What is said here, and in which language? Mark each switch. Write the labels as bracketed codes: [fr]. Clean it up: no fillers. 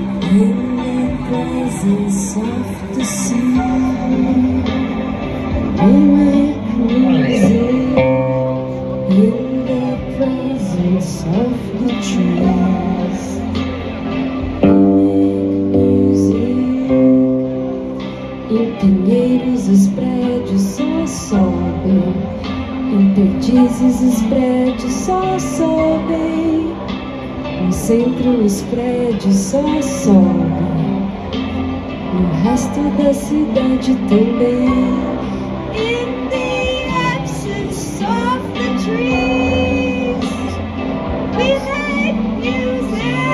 [en] In the presence of the sea, we make music. In the presence of the trees, we make music. [pt] Em pinheiros os prédios só sobem. Em perdizes os prédios só sobem. No centro os prédios só sobem. No resto da cidade também. [en] In the absence of the trees, we make music.